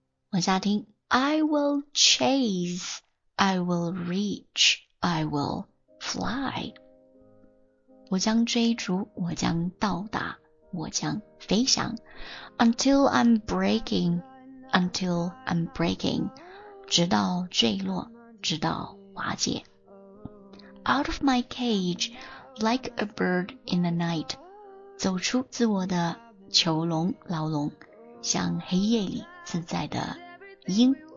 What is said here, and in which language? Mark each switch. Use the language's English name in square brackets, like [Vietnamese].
[Chinese] 往下听 [English] I will chase, I will reach, I will fly. [Chinese] 我将追逐，我将到达，我将飞翔。 [English] Until I'm breaking, [Chinese] 直到坠落，直到瓦解。 [English] Out of my cage, like a bird in the night. [Chinese] 走出自我的囚笼，牢笼，像黑夜里自在的鹰。